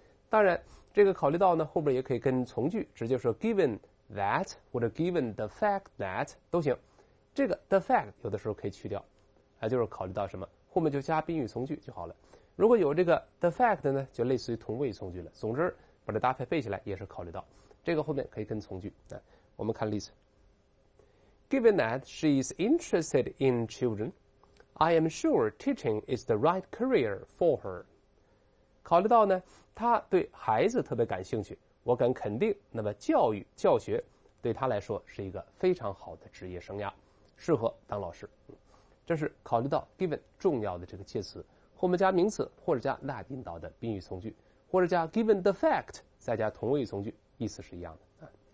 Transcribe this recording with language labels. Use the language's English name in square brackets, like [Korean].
[Chinese] 当然这个考虑到呢，后边也可以跟从句，直接说 [English] given that [Chinese] 或者 [English] given the fact that [Chinese] 都行。这个 the fact 有的时候可以去掉，就是考虑到什么，后面就加宾语从句就好了。如果有这个 the fact 呢，就类似于同位从句了。总之把这搭配背起来也是考虑到，这个后面可以跟从句。我们看例子。 [English] Given that she is interested in children, I am sure teaching is the right career for her. [Chinese] 考虑到呢，她对孩子特别感兴趣，我敢肯定，那么教学对她来说是一个非常好的职业生涯，适合当老师。这是考虑到 given 重要的这个介词，后面加名词或者加那引导的宾语从句，或者加 [English] given the fact [Chinese] 再加同位从句，意思是一样的。